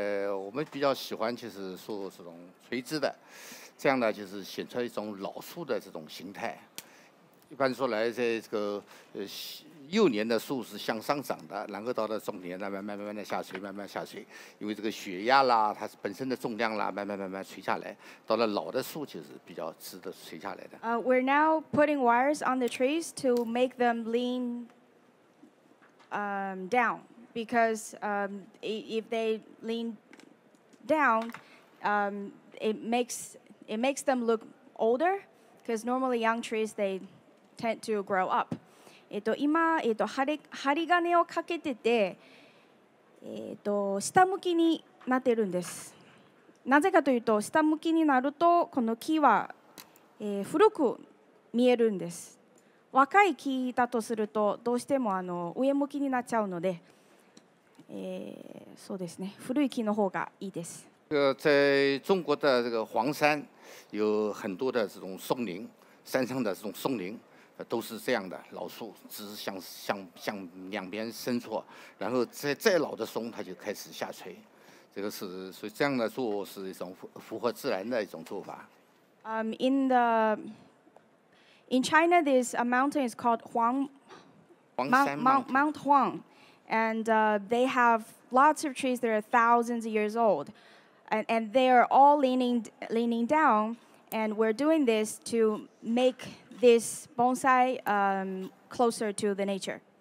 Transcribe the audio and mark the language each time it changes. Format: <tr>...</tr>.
<zh>我们比较喜欢就是树这种垂枝的，这样呢就是显出一种老树的这种形态。一般说来，在这个幼年的树是向上长的，然后到了中年呢，慢慢的下垂，慢慢下垂，因为这个血压啦，它本身的重量啦，慢慢垂下来。到了老的树就是比较直的垂下来的。</zh> <en>We're now putting wires on the trees to make them lean down, because if they lean down, it makes them look older, because normally young trees they tend to grow up.</en> <ja>今、針金をかけてて、下向きになってるんです。なぜかというと下向きになるとこの木は、古く見えるんです。若い木だとするとどうしてもあの上向きになっちゃうので、そうですね、古い木の方がいいです。</ja> <zh>在中国的这个黄山有很多的这种松林，山上的这种松林都是这样的，老树枝向两边伸缩，然后再老的松它就开始下垂，这个是所以这样的做是一种符合自然的一种做法。</zh> <en>In China, this a mountain is called Mount Huang, and they have lots of trees that are thousands of years old, and they are all leaning down. And we're doing this to make this bonsai closer to the nature.</en>